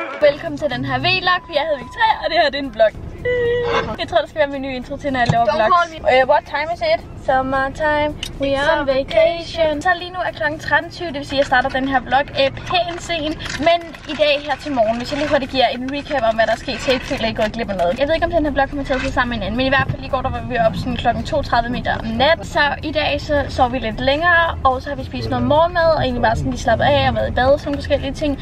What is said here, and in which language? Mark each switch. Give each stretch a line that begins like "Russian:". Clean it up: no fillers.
Danish: Velkommen til den her vlog. Jeg hedder Victoria, og det her er en vlog. Jeg tror, der skal være min nye intro til, når jeg laver vlogs.
English: What time is it? Summertime, we are on vacation.
Danish: Så lige nu er klokken 13:20, det vil sige, at jeg starter den her vlog pænt sen. Men i dag her til morgen, hvis jeg lige hurtigt giver en recap om, hvad der skete, så jeg ikke føler, at I går glip af noget. Jeg ved ikke, om den her vlog kommer til at se sammen med hinanden, men i hvert fald i går, der var vi op sådan klokken 2:30 meter om nat. Så i dag så sover vi lidt længere, og så har vi spist noget morgenmad, og egentlig bare sådan lige slappet af og været i bad og sådan forskellige ting.